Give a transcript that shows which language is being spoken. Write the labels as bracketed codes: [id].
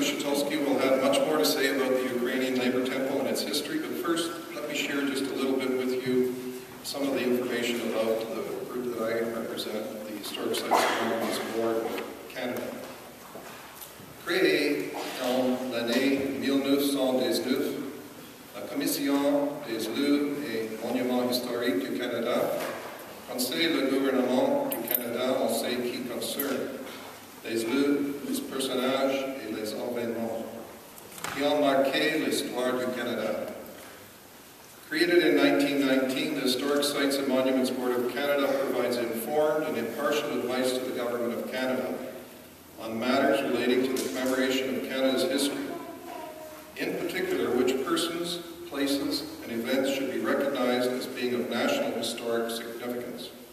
[en] Shatulski will have much more to say about the Ukrainian Labour Temple and its history, but first, let me share just a little bit with you some of the information about the group that I represent, the Historic Sites and Monuments Board of Canada. [fr] Créé en l'année 1919, la Commission des lieux et monuments historiques du Canada conseille le gouvernement du Canada en ce qui concerne les lieux, les personnages et les événements qui ont marqué l'histoire du Canada. [en] Created in 1919, the Historic Sites and Monuments Board of Canada provides informed and impartial advice to the Government of Canada on matters relating to the commemoration of Canada's history, in particular which persons, places, and events should be recognized as being of national historic significance.